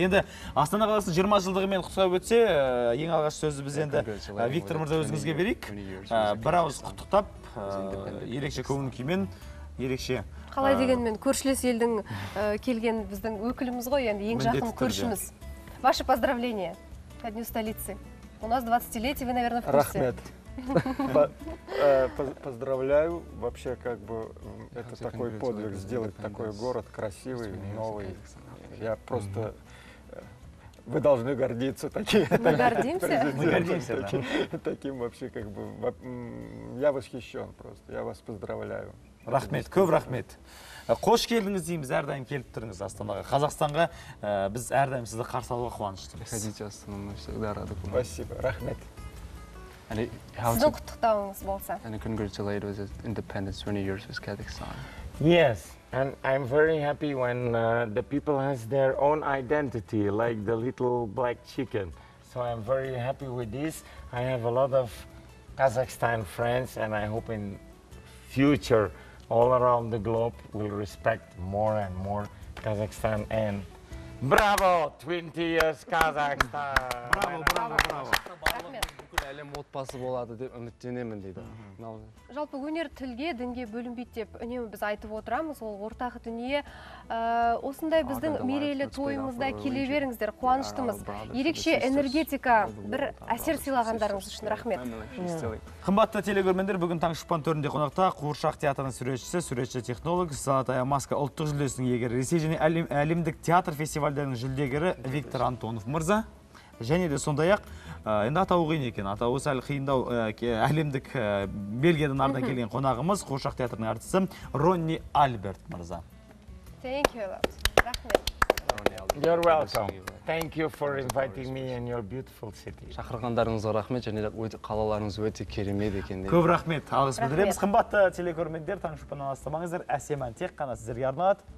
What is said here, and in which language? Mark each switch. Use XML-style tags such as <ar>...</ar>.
<kk>Енді Астана қаласы 20 жылдығымен құттықтап өтсе, ең алғаш сөзді біз енді Виктор мырза өзіңізге берейік. Бір ауыз құттықтап, ерекше көңіл күймен ерекше. Қалай дегенмен көршілес елдің келген біздің өкіліміз ғой, енді ең жақын көршіміз.</kk> <ru>Ваше поздравление. Ко дню столицы. У нас 20-летие, вы, наверное, в курсе. Рахмет. Поздравляю. Вообще, как бы, это такой подвиг сделать такой город красивый, новый. Я просто... Вы должны гордиться таким. Мы гордимся? Мы гордимся, да. Таким вообще, как бы, я восхищен просто. Я вас поздравляю.</ru> <kk>Рахмет, көп рахмет. Қош келдіңіз дейміз, әрдайым келіп тұрыңыз Астанаға. Қазақстанға біз әрдайым сізді қарсы алуға қуаныштымыз.</kk> <ru>Хадиджа Астанаға, всегда рады</ru> <kk>болам. Спасибо, рахмет. Сіздің құттықтауыңыз болса.</kk> <en>And congratulations on independence 20 years with Kazakhstan. Yes, and I'm very happy when the people has their own identity, like the little black chicken. So I'm very happy with this. I have a lot of Kazakhstan friends and I hope in future all around the globe will respect more and more Kazakhstan and bravo 20 years Kazakhstan.</en> <ru>Браво, браво, браво.</ru> <kk>Бүкіл әлем отбасы болады деп үміттенемін дейді. Жалпы өнер тілге, дінге бөлінбейді деп үнемі біз айтып отырамыз, ол ортақ дүние. Осындай біздің мерейлі тойымызда келе беріңіздер, қуаныштымыз. Ерекше энергетика бір әсер сыйлағандарыңыз үшін рахмет. Қымбатты телекөрермендер, бүгін таң шықпан төрінде қонақта Қуыршақ театрының суретшісі, суретші технолог Санатая Маска ұлттық жүлдесінің иегері, ресей және әлемдік театр фестивальдерінің жүлдегері Виктор Антонов мырза. Және де сондай-ақ, енді атауы қиын екен, атауы сәл қиындау, әлемдік Бельгиядан арнап келген қонағымыз Қуыршақ театрының әртісі Ронни Альберт мырза.</kk> <en>Thank you a lot. Рахмет. You're welcome. Thank you for inviting me in your beautiful city.</en> <kk>Шақырғандарыңызға рахмет, және де қалаларыңыз өте керемет екен. Көп рахмет. Алғыс білдіреміз. Қымбатты телекөрермендер, таң шықпаннан алыстамаңыздар. Әсем ән тек қана сіздерге арналады.</kk>